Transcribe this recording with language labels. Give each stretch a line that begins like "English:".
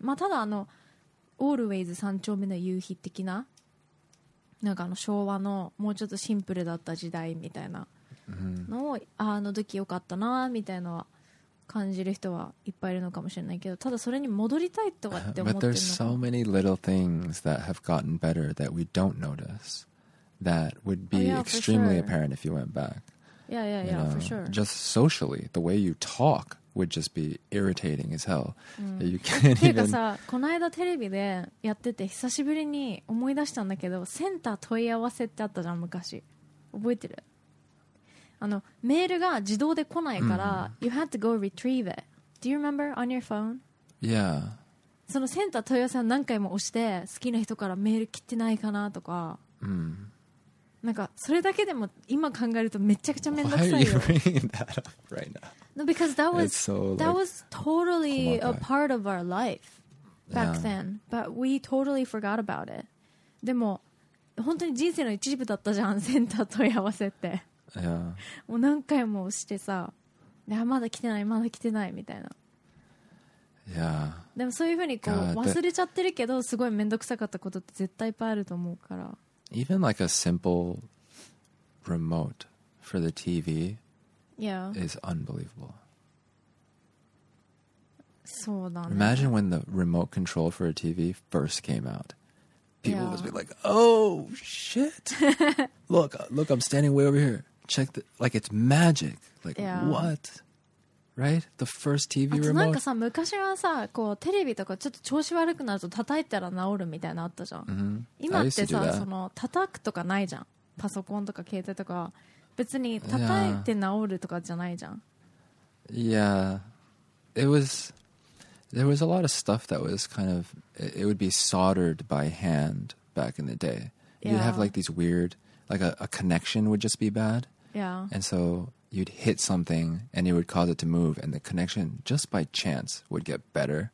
Japanese: まあただあの Always 三丁目の夕日的な、なんかあの昭和のもうちょっとシンプルだった時代みたいなのを、あの時良かったなみたいな感じる人はいっぱいいるのかもしれないけど、ただそれに戻りたいとかって思ってるの。
English: But there's so many little things that have gotten better that we don't notice that would be extremely apparent if you went back. Yeah, yeah, yeah, for sure. Just socially, the way you talk would just be irritating as hell. You can't even.
Japanese: てかさ、この間テレビでやってて久しぶりに思い出したんだけど、センター問い合わせってあったじゃん昔。覚えてる？あのメールが自動で来ないから、
English: You had to go retrieve it. Do you remember on your phone? Yeah.
Japanese: そのセンター問い合わせは何回も押して、好きな人からメール来てないかなとか、なんかそれだけでも今考えるとめちゃくちゃめんどくさいよ。
English: Why are you bringing that up right now? No, because that was, so, like, that was totally a part of our life back then. But we totally forgot about it.
Japanese: でも本当に人生の一部だったじゃん、センター問い合わせって。
English: Yeah.
Japanese: もう何回も押してさ、いやまだ来てないまだ来てないみたいな。
English: Yeah.
Japanese: でもそういうふうにこう忘れちゃってるけど、すごいめんどくさかったことって絶対いっぱいあると思うから。
English: Even like a simple remote for the TV, yeah, is unbelievable.
Japanese: そうだね。
English: Imagine when the remote control for a TV first came out. People would be like, oh, shit. Look, I'm standing way over here. Check the, like, it's magic. Like, what? Right? The first TV remote.
Japanese: あとなんかさ、昔はさ、こう、テレビとかちょっと調子悪くなると叩いたら治るみたいなあったじゃん。 Mm-hmm. 今ってさ、その、叩くとかないじゃん。パソコンとか携帯とか。別に叩いて治るとかじゃないじゃん。
English: Yeah. It was, There was a lot of stuff that was kind of, it would be soldered by hand back in the day. Yeah. You'd have like these weird, like a connection would just be bad. Yeah. And so you'd hit something and it would cause it to move. And the connection just by chance would get better.